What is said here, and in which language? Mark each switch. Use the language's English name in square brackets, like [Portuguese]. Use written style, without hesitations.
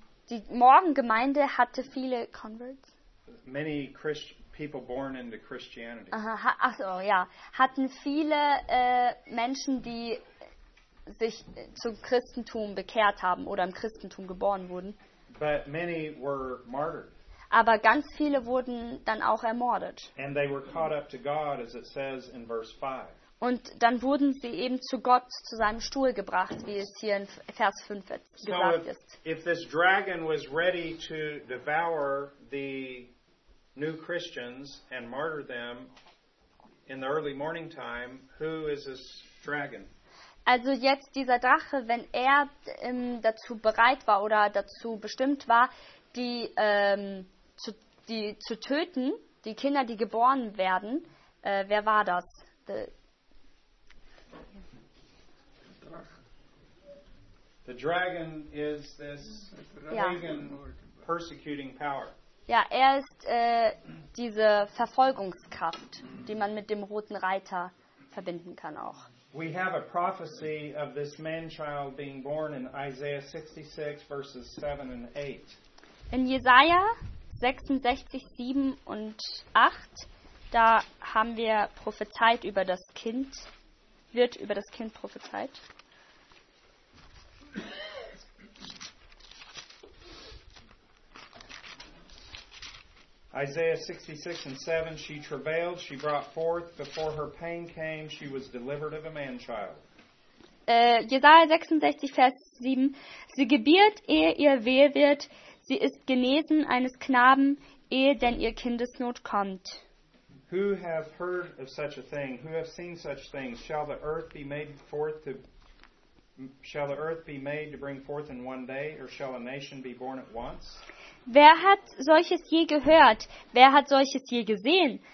[German] Die Morgengemeinde hatte viele Converts. [English] Many people born into Christianity. [German] Hatten viele Menschen, die sich zum Christentum bekehrt haben oder im Christentum geboren wurden. [English] But many were martyred. [German] Aber ganz viele wurden dann auch ermordet. [English] And they were caught up to God, as it says in verse 5. [German] Und dann wurden sie eben zu Gott, zu seinem Stuhl gebracht, wie es hier in Vers 5 gesagt ist. [English] If this dragon was ready to devour the new Christians and martyr them in the early morning time, who is this dragon? [German] Also jetzt dieser Drache, wenn er dazu bereit war oder dazu bestimmt war, die zu töten, die Kinder, die geboren werden, wer war das? [English] The dragon is this pagan persecuting power. [German] Ja, er ist diese Verfolgungskraft, die man mit dem roten Reiter verbinden kann auch. [English] We have a prophecy of this man-child being born in Isaiah 66, verses 7 and 8. [German] In Jesaja 66, 7 und 8, da haben wir prophezeit über das Kind, wird über das Kind prophezeit. [English] Okay. Isaiah 66 and 7, she travailed, she brought forth, before her pain came, she was delivered of a man-child. [German] Jesaja 66, Vers 7, sie gebiert, ehe ihr weh wird, sie ist genesen eines Knaben, ehe denn ihr Kindesnot kommt. [English] Who hath heard of such a thing? Who hath seen such things? Shall the earth be made forth to... Shall the earth be made to bring forth in one day, or shall a nation be born at once? [German] Wer hat solches je gehört? Wer hat solches je gesehen?